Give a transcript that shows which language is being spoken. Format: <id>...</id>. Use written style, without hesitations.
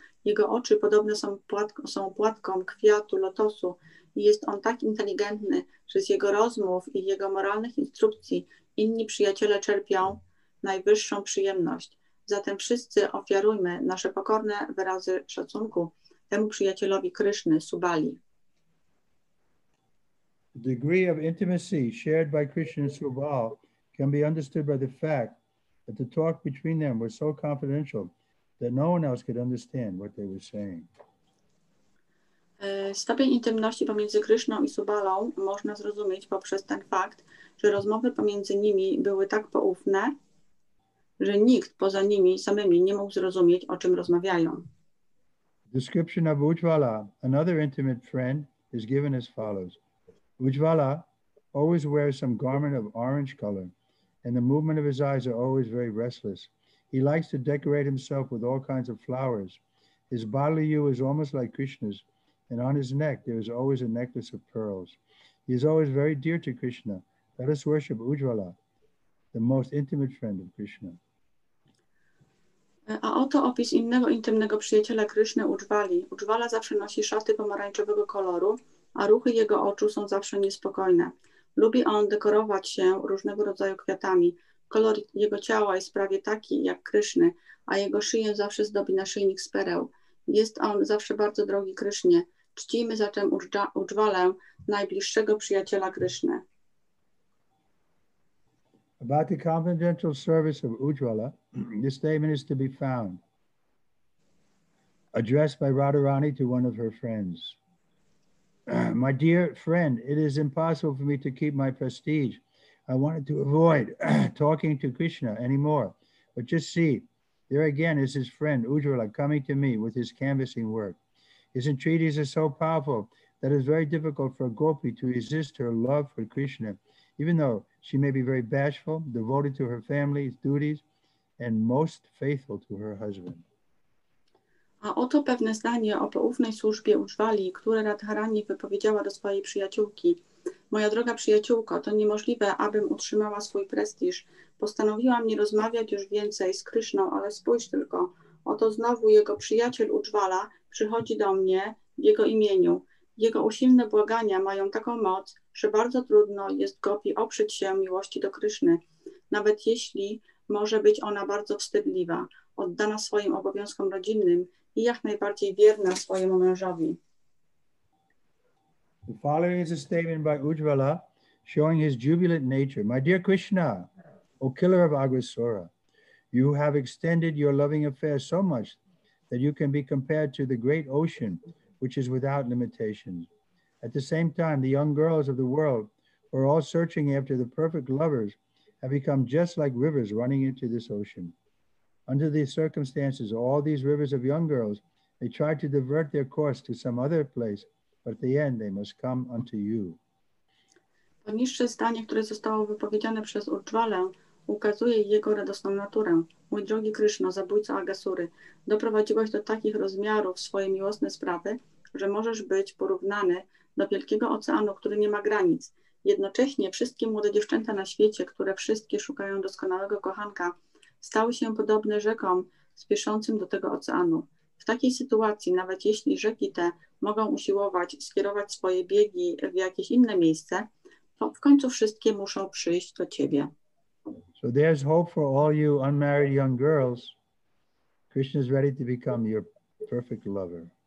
<pl>Jego oczy podobne są płatką kwiatu lotosu i jest on tak inteligentny, że z jego rozmów i jego moralnych instrukcji inni przyjaciele czerpią najwyższą przyjemność. Zatem wszyscy ofiarujmy nasze pokorne wyrazy szacunku temu przyjacielowi Kryszny, Subali.</pl> <en>The degree of intimacy shared by Krishna and Subal can be understood by the fact that the talk between them was so confidential that no one else could understand what they were saying.</en> <pl>Stopień intymności pomiędzy Kryszną i Subalą można zrozumieć poprzez ten fakt, że rozmowy pomiędzy nimi były tak poufne, że nikt poza nimi samymi nie mógł zrozumieć, o czym rozmawiają.</pl> <en>Description of Ujjwala, another intimate friend, is given as follows. Ujjwala always wears some garment of orange color, and the movement of his eyes are always very restless. He likes to decorate himself with all kinds of flowers. His bodily hue is almost like Krishna's, and on his neck there is always a necklace of pearls. He is always very dear to Krishna. Let us worship Ujjwala, the most intimate friend of Krishna.</en> <pl>A oto opis innego intymnego przyjaciela Kryszny, Ujjwali. Ujjwala zawsze nosi szaty pomarańczowego koloru, a ruchy jego oczu są zawsze niespokojne. Lubi on dekorować się różnego rodzaju kwiatami. Kolor jego ciała jest prawie taki jak Kryszny, a jego szyję zawsze zdobi naszyjnik z pereł. Jest on zawsze bardzo drogi Krysznie. Czcijmy zatem Ujjwalę, najbliższego przyjaciela Kryszny.</pl> <en>About the confidential service of Ujjwala, this statement is to be found, addressed by Radharani to one of her friends. "My dear friend, it is impossible for me to keep my prestige. I wanted to avoid talking to Krishna anymore. But just see, there again is his friend Ujjwala coming to me with his canvassing work. His entreaties are so powerful that it's very difficult for a gopi to resist her love for Krishna, even though she may be very bashful, devoted to her family's duties, and most faithful to her husband."</en> <pl>A oto pewne zdanie o poufnej służbie Ujjwali, które Radharani wypowiedziała do swojej przyjaciółki. Moja droga przyjaciółko, to niemożliwe, abym utrzymała swój prestiż. Postanowiłam nie rozmawiać już więcej z Kryszną, ale spójrz tylko. Oto znowu jego przyjaciel Ujjwala przychodzi do mnie w jego imieniu. Jego usilne błagania mają taką moc, że bardzo trudno jest Gopi oprzeć się miłości do Kryszny, nawet jeśli może być ona bardzo wstydliwa, oddana swoim obowiązkom rodzinnym i jak najbardziej wierna swojemu mężowi.</pl> <en>The following is a statement by Ujjwala showing his jubilant nature. My dear Krishna, O killer of Agrasura, you have extended your loving affairs so much that you can be compared to the great ocean, which is without limitations. At the same time, the young girls of the world who are all searching after the perfect lovers have become just like rivers running into this ocean. Under these circumstances, all these rivers of young girls, they try to divert their course to some other place, but at the end, they must come unto you.</en> <pl>Poniższe zdanie, które zostało wypowiedziane przez Ujjwalę, ukazuje jego radosną naturę. Mój drogi Kryszno, zabójco Agasury, doprowadziłeś do takich rozmiarów swoje miłosne sprawy, że możesz być porównany do wielkiego oceanu, który nie ma granic. Jednocześnie wszystkie młode dziewczęta na świecie, które wszystkie szukają doskonałego kochanka, stały się podobne rzekom spieszącym do tego oceanu. W takiej sytuacji, nawet jeśli rzeki te mogą usiłować skierować swoje biegi w jakieś inne miejsce, to w końcu wszystkie muszą przyjść do ciebie.</pl> <en>So there's hope for all you unmarried young girls. Krishna is ready to become your perfect lover.</en>